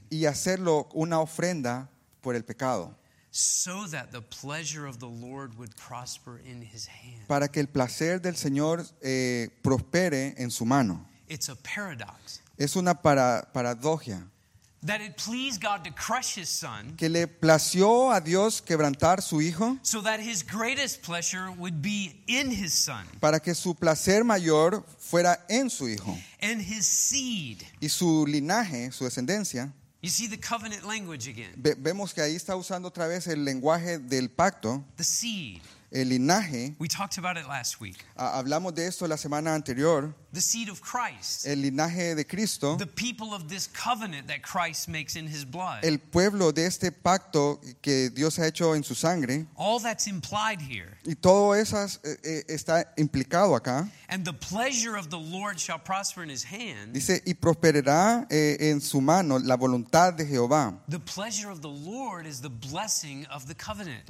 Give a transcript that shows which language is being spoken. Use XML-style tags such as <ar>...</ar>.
<es>Y hacerlo una ofrenda por el pecado.</es> <en>So that the pleasure of the Lord would prosper in his hand.</en> <es>Para que el placer del Señor prospere en su mano.</es> <en>It's a paradox.</en> <es>Es una paradoja.</es> <en>That it pleased God to crush his son.</en> <es>Que le plació a Dios quebrantar su hijo.</es> <en>So that his greatest pleasure would be in his son.</en> <es>Para que su placer mayor fuera en su hijo.</es> <en>And his seed.</en> <es>Y su linaje, su descendencia.</es> <en>You see the covenant language again.</en> <es>Vemos que ahí está usando otra vez el lenguaje del pacto.</es> <en>The seed.</en> <es>El linaje.</es> <en>We talked about it last week.</en> <es>Hablamos de esto la semana anterior.</es> <en>The seed of Christ.</en> <es>El linaje de Cristo.</es> <en>The people of this covenant that Christ makes in his blood.</en> <es>El pueblo de este pacto que Dios ha hecho en su sangre.</es> <en>All that's implied here.</en> <es>Y todo eso está implicado acá.</es> <en>And the pleasure of the Lord shall prosper in his hand.</en> <es>Dice, y prosperará en su mano la voluntad de Jehová.</es> <en>The pleasure of the Lord is the blessing of the covenant.</en>